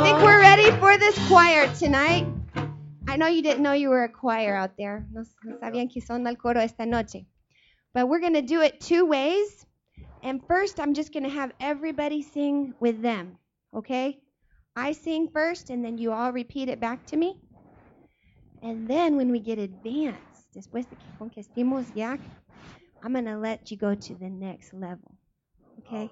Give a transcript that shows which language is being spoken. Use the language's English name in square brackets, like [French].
[English] I think we're ready for this choir tonight. I know you didn't know you were a choir out there. [Spanish] No sabían que son el coro esta noche. [English] But we're going to do it two ways. And first, I'm just going to have everybody sing with them. Okay? I sing first, and then you all repeat it back to me. And then when we get advanced, [Spanish] después de que conquistemos ya, [English] I'm going to let you go to the next level. Okay?